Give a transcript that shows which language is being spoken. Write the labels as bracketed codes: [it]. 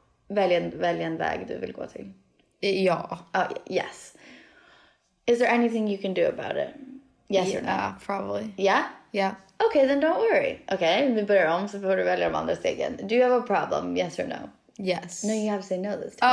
[sv] Välj en väg du vill gå till. Ja. [en] Yes. Is there anything you can do about it? Yes or no? Probably. Yeah? Yeah. Okay, then don't worry. [sv] Okay, vi börjar om så får du välja de andra stegen. [en] Do you have a problem, yes or no? Yes. No, you have to say no this time.